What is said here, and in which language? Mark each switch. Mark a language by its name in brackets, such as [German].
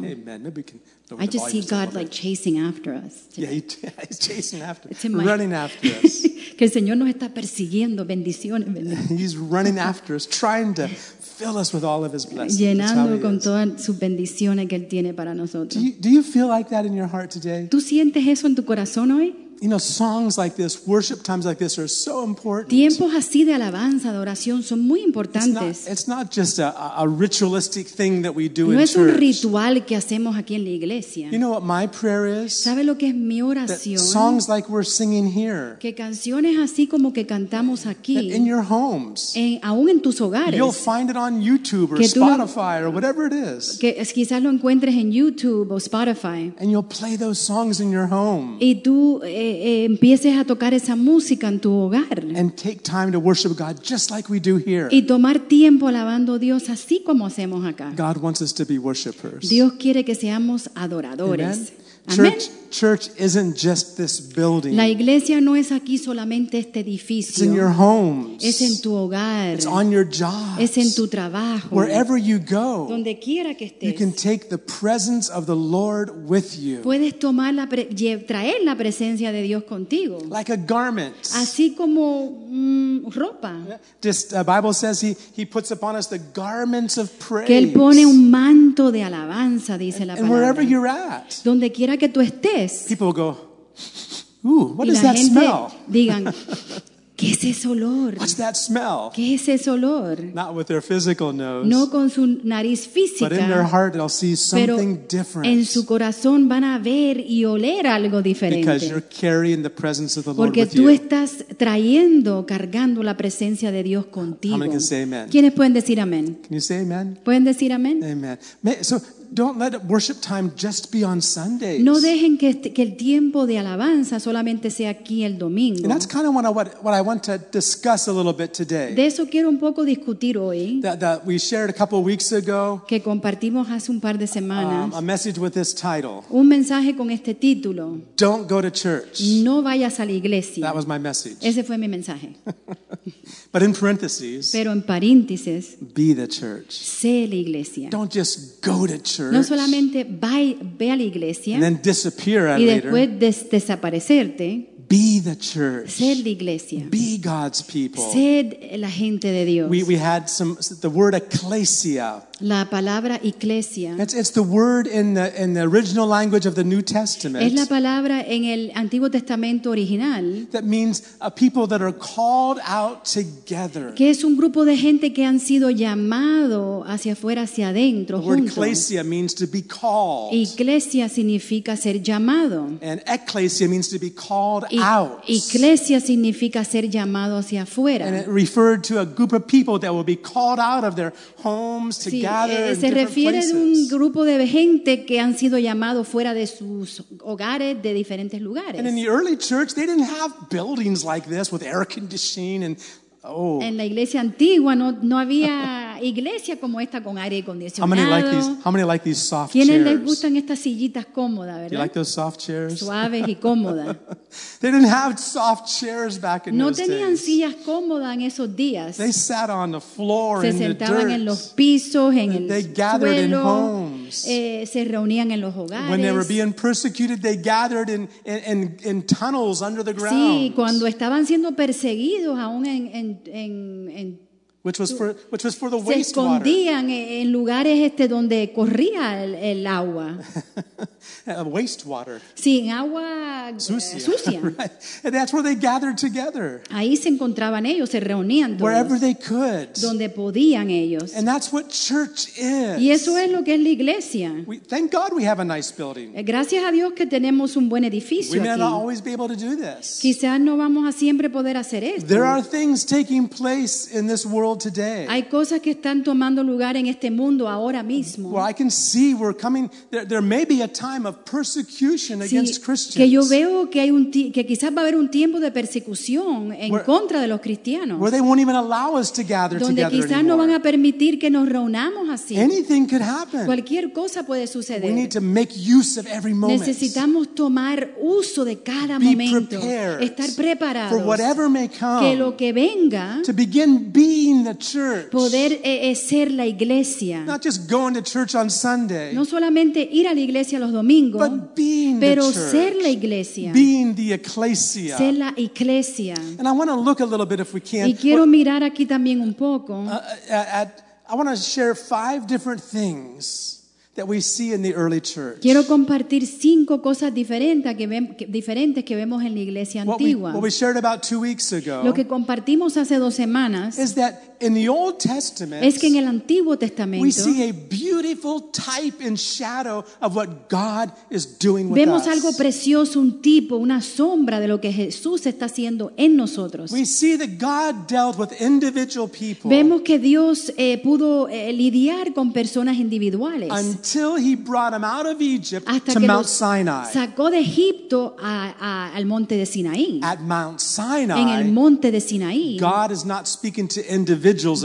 [English] Amen. Maybe we can. I just see God like chasing after us. Today. Yeah, he's chasing after us. Running after us. [Spanish] Que el Señor nos está persiguiendo, bendiciones, bendiciones. [English] He's running after us, trying to fill us with all of his blessings. [Spanish] Llenando con todas sus bendiciones que él tiene para nosotros. [English] Do you feel like that in your heart today? [Spanish] ¿Tú sientes eso en tu corazón hoy? [English] You know, songs like this, worship times like this are so important. [Spanish] Tiempos así de alabanza, de oración son muy importantes. [English] It's not just a ritualistic thing that we do [Spanish] no [English] in [Spanish] es [English] church. [Spanish] Un ritual que hacemos aquí en la iglesia. [English] You know what my prayer is? [Spanish] ¿Sabe lo que es mi oración? [English] That songs like we're singing here. [Spanish] Que canciones así como que cantamos aquí. [English] That in your homes. [Spanish] Aún en tus hogares. [English] You'll find it on YouTube or Spotify or whatever it is. [Spanish] Que quizás lo encuentres en YouTube o Spotify. [English] And you'll play those songs in your home. [Spanish] Y tú empieces a tocar esa música en tu hogar. [English] And take time to worship God just like we do here. [Spanish] Y tomar tiempo alabando a Dios así como hacemos acá. [English] God wants us to be worshipers. [Spanish] Dios quiere que seamos adoradores. [English] Amen. Church isn't just this building. [Spanish] La iglesia no es aquí solamente este edificio. [English] It's in your homes. [Spanish] Es en tu hogar. [English] It's on your jobs. [Spanish] Es en tu trabajo. [English] Wherever you go, [Spanish] donde quiera que estés, [English] you can take the presence of the Lord with you. [Spanish] Puedes traer la presencia de Dios contigo. [English] Like a garment. [Spanish] Así como ropa. [English] The Bible says he puts upon us the garments of praise. [Spanish] Que él pone un manto de alabanza, dice la palabra. [English] And wherever you're at, [Spanish] donde quiera que tú estés, [English] people go, ooh, what is that smell? [Spanish] Digan, ¿qué es ese olor? [English] What's that smell? [Spanish] ¿Qué es ese olor? [English] Not with their physical nose. [Spanish] No con su nariz física. [English] But in their heart, they'll see something different. [Spanish] En su corazón van a ver y oler algo diferente. [English] Because you're carrying the presence of the Lord [Spanish] porque [English] with you. [Spanish] Porque tú estás trayendo, cargando la presencia de Dios contigo. [English] How many can say amen? [Spanish] ¿Quiénes pueden decir amén? [English] Can you say amen? [Spanish] ¿Pueden decir amén? [English] Amen. Don't let worship time just be on Sundays. [Spanish] No dejen que el tiempo de alabanza solamente sea aquí el domingo. [English] And that's kind of what I want to discuss a little bit today. [Spanish] De eso quiero un poco discutir hoy. [English] That we shared a couple weeks ago. [Spanish] Que compartimos hace un par de semanas. [English] A message with this title. [Spanish] Un mensaje con este título. [English] Don't go to church. [Spanish] No vayas a la iglesia. [English] That was my message. [Spanish] Ese fue mi mensaje. [English] But in parentheses. [Spanish] Pero en paréntesis. [English] Be the church. [Spanish] Sé la iglesia. [English] Don't just go to church. [Spanish] No solamente ve a la iglesia [English] and then disappear [Spanish] y después desaparecerte. [English] Be the church. [Spanish] Sed la iglesia. [English] Be God's people. [Spanish] Sed la gente de Dios. [English] We had some the word ecclesia. [Spanish] La palabra iglesia. [English] It's the word in the original language of the New Testament. [Spanish] Es la palabra en el Antiguo Testamento original. [English] That means a people that are called out together. [Spanish] Que es un grupo de gente que han sido llamado hacia afuera, hacia adentro, juntos. [English] The word ecclesia means to be called. [Spanish] Iglesia significa ser llamado. [English] And ecclesia means to be called out. [Spanish] Iglesia significa ser llamado hacia afuera. [English] And it referred to a group of people that will be called out of their homes to gather in [Spanish] se refiere a un grupo de gente que han sido llamados fuera de sus hogares de diferentes lugares. [English] And in the early church, they didn't have buildings like this with air conditioning and oh. [Spanish] En la iglesia antigua no había iglesia como esta con aire acondicionado. [English] How many like these soft chairs? [Spanish] ¿Quiénes les gustan estas sillitas cómodas, verdad? [English] You like those soft chairs? [Spanish] Suaves y cómodas. [English] They didn't have soft chairs back in [Spanish] no [English] those [Spanish] tenían [English] days. [Spanish] Sillas cómodas en esos días. [English] They sat on the floor [Spanish] se sentaban [English] in the dirt. [Spanish] En los pisos, en [English] they [Spanish] el [English] they [Spanish] suelo. [English] Gathered in homes. [Spanish] Se reunían en los hogares. [English] When they were being persecuted, they gathered in tunnels under the ground. [Spanish] Sí, cuando estaban siendo perseguidos aún en [English] which was for the [Spanish] se escondían [English] wastewater. [Spanish] En lugares donde corría el agua. [English] Wastewater. [Spanish] Sí, en agua sucia. Sucia. [English] Right. And that's where they gathered together. [Spanish] Ahí se encontraban ellos, se reunían todos. [English] Wherever they could. [Spanish] Donde podían ellos. [English] And that's what church is. [Spanish] Y eso es lo que es la iglesia. [English] Thank God we have a nice building. [Spanish] Gracias a Dios que tenemos un buen edificio. [English] We may [Spanish] aquí. [English] Not always be able to do this. [Spanish] Quizás no vamos a siempre poder hacer esto. [English] There are things taking place in this world today. [Spanish] Hay cosas que están tomando lugar en este mundo ahora mismo. [English] Well, I can see we're coming. There may be a time of persecution against Christians. [Spanish] Que yo veo que hay que quizás va a haber un tiempo de persecución en contra de los cristianos. [English] Where they won't even allow us to gather together. [Spanish] Donde quizás no van a permitir que nos reunamos así. [English] Anything could happen. [Spanish] Cualquier cosa puede suceder. [English] We need to make use of every moment. [Spanish] Necesitamos tomar uso de cada momento. Estar preparados [English] for whatever may come. [Spanish] Que lo que venga. [English] To begin being the church. [Spanish] Poder ser la iglesia. [English] Not just going to church on Sunday. [Spanish] No solamente ir a la iglesia los domingos, [English] but being [Spanish] pero [English] the church, [Spanish] ser la iglesia. [English] Being the ecclesia. [Spanish] Ser la iglesia. [English] And I want to look a little bit if we can. [Spanish] Y quiero mirar aquí también un poco. [English] I want to share 5 different things that we see in the early church. [Spanish] Quiero compartir 5 cosas diferentes que vemos en la iglesia antigua. [English] What we shared about 2 weeks ago. [Spanish] Lo que compartimos hace 2 semanas. [English] Is that in the Old Testament? [Spanish] Es que en el Antiguo Testamento. [English] We see a beautiful type and shadow of what God is doing with [Spanish] vemos [English] us. [Spanish] Vemos algo precioso, un tipo, una sombra de lo que Jesús está haciendo en nosotros. [English] We see that God dealt with individual people. [Spanish] Vemos que Dios pudo lidiar con personas individuales. [English] Until he brought him out of Egypt [Spanish] hasta [English] to Mount Sinai. [Spanish] Sacó de Egipto al monte de Sinaí. [English] At Mount Sinai. [Spanish] En el monte de Sinaí. [English] God is not speaking to individuals